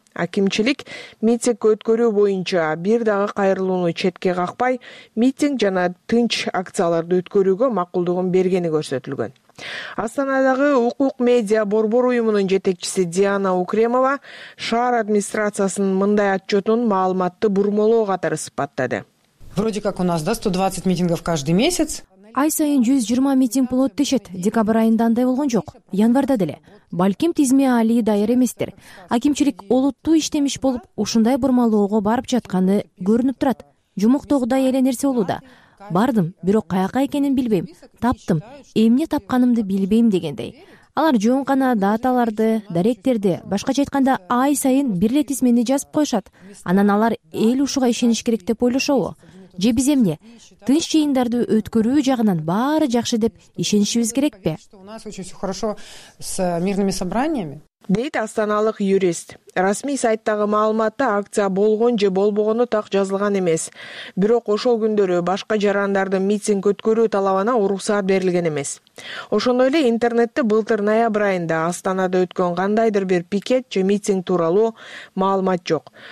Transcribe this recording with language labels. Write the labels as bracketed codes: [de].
[ky] Акимчилик митинг өткөрүү боюнча бир дагы кайрылууну четке какпай, митинг жана тынч акцияларды өткөрүүгө макулдугун бергени көрсөтүлгөн. Астанадагы укук медиа Борбор уюмунун жетекчиси Диана Укремова шаар администрациясынын мындай отчетун маалыматты бурмалоо катары сыпаттады. [ru] Вроде как у нас, да, 120 митингов каждый месяц. [ky] Ай сайын 120 митинг болот дешет, декабрь айында андай болгон жок, январда деле. Балким тизме али даяр эместир. Акимчилик олуттуу иштемиш болуп, ушундай бурмалоого барып жатканы көрүнүп турат. Жумуктогудай эле нерсе болууда. Бардым, бирок каяка экенин билбейм. Таптым, эмне тапканымды билбейм дегендей. Алар жөн гана дааларды, даректерди, башкача айтканда ай сайын бир эле тизмени жазып коюшат. Анан алар эл ушуга ишениш керек деп ойлошобу? Же биз эмне? Тынч жыйындарды өткөрүү жагынан баары жакшы деп ишенишибиз керекпи? [ru] У нас очень все хорошо с мирными собраниями. [ky] Дейт астаналык юрист. Расмий сайттагы маалыматта акция болгон же болбогону так жазылган эмес. Бирок ошол күндөрү башка жарандардын митинг өткөрүү талабына уруксат берилген эмес. Ошондой эле интернетте былтыр ноябрь айында Астанада өткөн кандайдыр бир пикет же митинг тууралуу маалымат жок.